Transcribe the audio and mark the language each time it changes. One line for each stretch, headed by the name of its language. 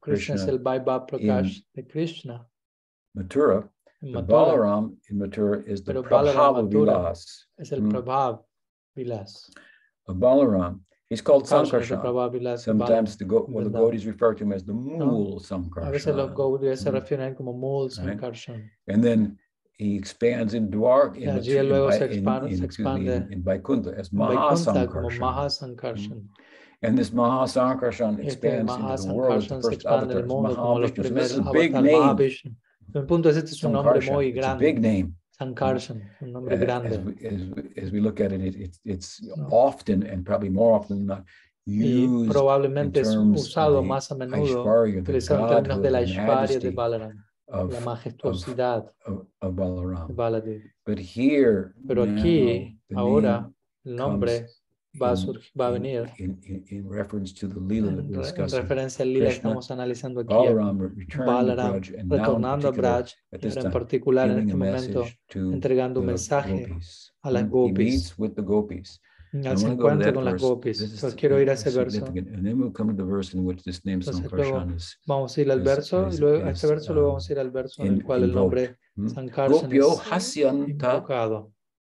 Spanish: Krishna es el Vaibhav Prakash de Krishna.
English: Mathura. Balaram in Mathura is the Prabhav Vilas.
Spanish: Es el Prabhav Vilas.
English: A Balaram, he's called Sankarsana. Sometimes the the Gaudis refer to him as the Mool Sankarsana.
Spanish: A veces los Gaudis se refieren como Mool Sankarsana.
English: And then he expands in Dwarka, in Mathura, in Vaikuntha as Mahasankarsana. And this Mahasankarsana expands into the world as the first avatar, Mahavishnu. This is a big name.
Spanish: El punto es, este es un nombre muy grande.
English: Big name.
Spanish: Sankarsan, un nombre grande.
English: As we look at it, it's often and probably more often than not used.
Spanish: Y probablemente
English: in terms
Spanish: es usado más a menudo, utilizado en términos de la Aishwarya de Balaram, la majestuosidad
English: of Balaram. Baladev. But here,
Spanish: pero aquí, ahora, el nombre va a surgir, va a venir.
English: In reference to the lila that we're discussing.
Spanish: En referencia al lila estamos analizando aquí. Balaram retornando a Braj, pero en particular en este momento entregando un mensaje a las gopis.
English: He meets with the gopis.
Spanish: Se encuentra con las gopis. Quiero ir a ese verso.
English: And then we'll come to the verse in which this name Sankarsan is.
Spanish: Vamos a ir al verso y luego a este verso luego vamos a ir al verso en el cual el nombre Sankarsan es invocado.